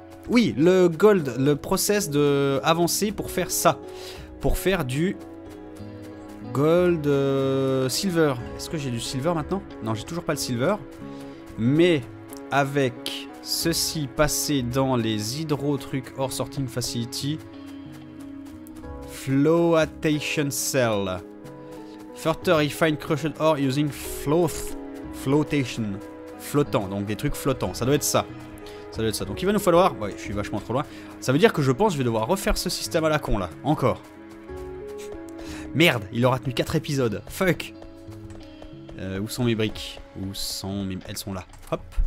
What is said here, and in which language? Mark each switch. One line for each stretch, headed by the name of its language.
French: Oui, le gold, le process de avancer pour faire ça. Pour faire du... Gold, silver. Est-ce que j'ai du silver maintenant? Non, j'ai toujours pas le silver. Mais avec ceci passé dans les hydro-trucs hors sorting facility,
English: Floatation cell. Further, he find crushed ore using flotation.
French: Flottant, donc des trucs flottants. Ça doit être ça. Ça doit être ça. Donc il va nous falloir... Ouais, je suis vachement trop loin. Ça veut dire que je pense que je vais devoir refaire ce système à la con, là. Encore. Merde, il aura tenu 4 épisodes. Fuck. Où sont mes briques? Où sont mes... Elles sont là. Hop.